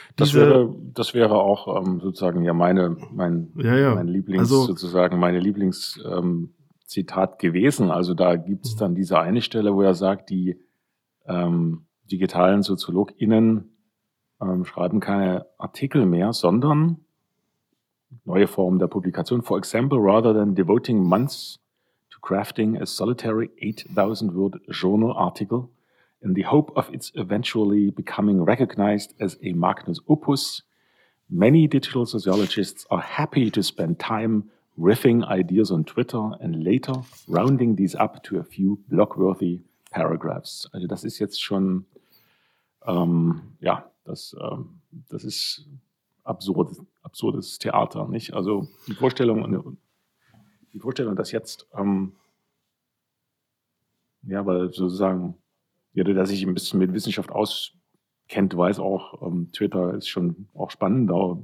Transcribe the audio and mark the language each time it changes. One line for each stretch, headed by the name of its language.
German: das wäre auch sozusagen ja meine Lieblingszitat gewesen. Also da gibt es dann diese eine Stelle, wo er sagt, die digitalen SoziologInnen schreiben keine Artikel mehr, sondern neue Formen der Publikation.
English: For example, rather than devoting months to crafting a solitary 8,000-word journal article in the hope of its eventually becoming recognized as a magnum opus, many digital sociologists are happy to spend time riffing ideas on Twitter and later rounding these up to a few blog-worthy paragraphs.
German: Also das ist jetzt schon, das ist absurdes Theater, nicht? Also die Vorstellung, dass jetzt, weil sozusagen jeder, der sich ein bisschen mit Wissenschaft auskennt, weiß auch, Twitter ist schon auch spannender.